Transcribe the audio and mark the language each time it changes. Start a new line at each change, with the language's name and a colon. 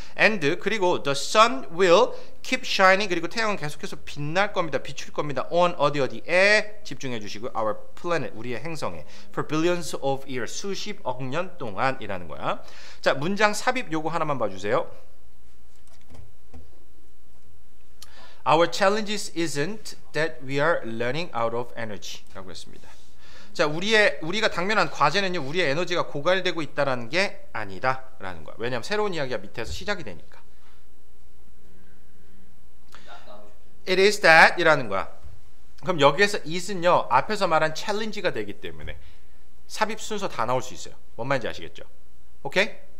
English: And
Korean: 그리고
English: the sun will keep shining.
Korean: 그리고 태양은 계속해서 빛날 겁니다. 비출 겁니다. On 어디 어디에 집중해 주시고
English: our planet
Korean: 우리의 행성에
English: for billions of years
Korean: 수십억 년 동안이라는 거야. 자, 문장 삽입 요거 하나만 봐주세요.
English: Our challenges isn't that we are learning out of energy
Korean: 라고 했습니다. 자, 우리가 당면한 과제는요, 우리의 에너지가 고갈되고 있다라는 게 아니다라는 거야. 왜냐하면 새로운 이야기가 밑에서 시작이 되니까.
English: It is that
Korean: 이라는 거야. 그럼 여기에서 is는요, 앞에서 말한 challenge가 되기 때문에 삽입 순서 다 나올 수 있어요. 뭔 말인지 아시겠죠? 오케이?